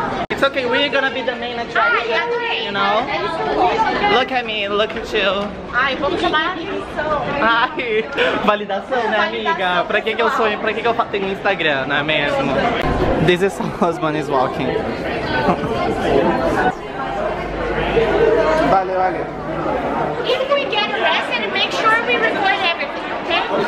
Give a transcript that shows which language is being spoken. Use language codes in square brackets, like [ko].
[en] It's okay, we're gonna be the main attraction, you know? Look at me, look at you. [pt] Ai, vamos chamar a atenção. Ai, validação, né, amiga? Pra que eu sou, pra que eu tenho Instagram, não é mesmo? [en] This is how husband is walking. [pt] Valeu, valeu. [en] If we get arrested, make sure we record everything, okay?